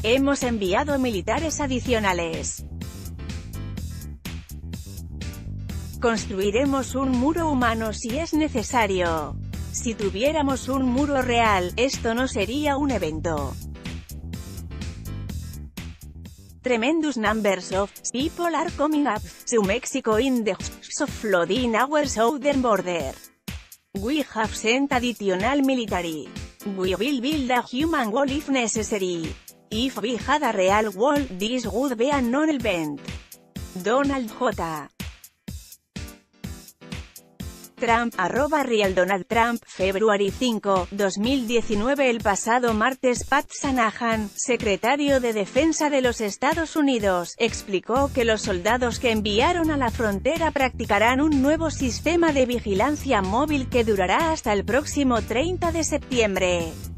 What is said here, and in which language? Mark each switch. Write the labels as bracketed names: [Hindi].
[Spanish] Hemos enviado militares adicionales. Construiremos un muro humano si es necesario. Si tuviéramos un muro real, esto no sería un evento. [English] Tremendous numbers of people are coming up to Mexico in the hopes of flooding our southern border. We have sent additional military. We will build a human wall if necessary. If we had a real wall, this would be a non-event. Donald J. Trump, arroba Real Donald Trump, February 5, 2019. [Spanish] El pasado martes, Pat Shanahan, secretario de Defensa de los Estados Unidos, explicó que los soldados que enviaron a la frontera practicarán un nuevo sistema de vigilancia móvil que durará hasta el próximo 30 de septiembre.